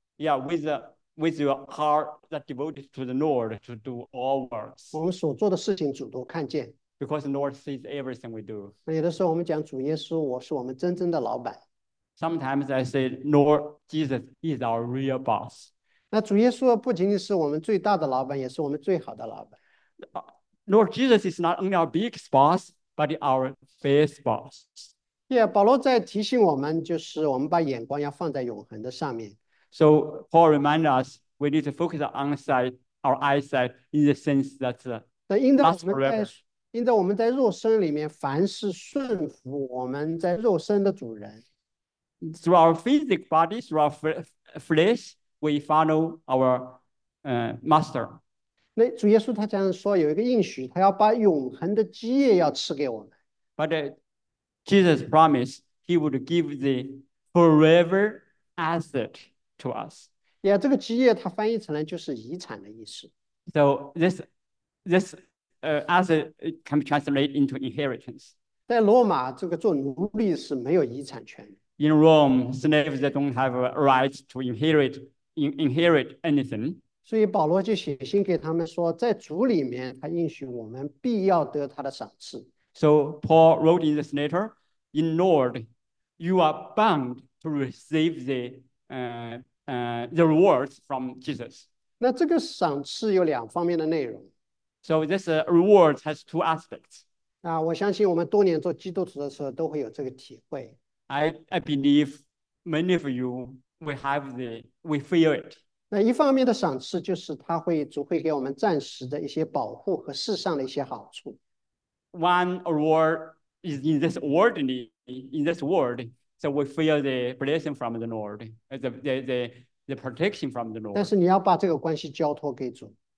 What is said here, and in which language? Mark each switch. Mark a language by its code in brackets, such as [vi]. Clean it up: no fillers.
[en] Yeah, with your heart that devoted to the Lord to do all works. [zh] 我们所做的事情主都看见。 [en] Because the Lord sees everything we do. [zh] 那有的时候我们讲主耶稣，我是我们真正的老板。 [en] Sometimes I say, Lord Jesus is our real boss. [zh] 那主耶稣不仅仅是我们最大的老板，也是我们最好的老板。 [en] Lord Jesus is not only our biggest boss, but our best boss. [zh] Yeah, 保罗在提醒我们，就是我们把眼光要放在永恒的上面。 [en] So Paul reminds us we need to focus on our eyesight in the sense that lasts forever. [zh] 因着我们在肉身里面，凡是顺服我们在肉身的主人。 [en] Through our physical body, through our flesh, we follow our master. [zh] 那主耶稣他这样说，有一个应许，他要把永恒的基业要赐给我们。 [en] But Jesus promised he would give the forever asset. To us. [zh] Yeah, 这个基业它翻译成了就是遗产的意思。 [en] So this asset can be translated into inheritance. [zh] 在罗马，这个做奴隶是没有遗产权。 [en] In Rome, slaves don't have a right to inherit anything. [zh] 所以保罗就写信给他们说，在主里面，他应许我们必要得他的赏赐。 [en] So Paul wrote in this letter, "In Lord, you are bound to receive the." The rewards from Jesus. [zh] 那这个赏赐有两方面的内容。 [en] So this reward has two aspects. [zh] 我相信我们多年做基督徒的时候都会有这个体会。 [en] I believe many of you we feel it. [zh] 那一方面的赏赐就是他会主会给我们暂时的一些保护和世上的一些好处。 [en] One reward is in this world, so we feel the blessing from the Lord, the protection from the Lord. [zh] 但是你要把这个关系交托给主。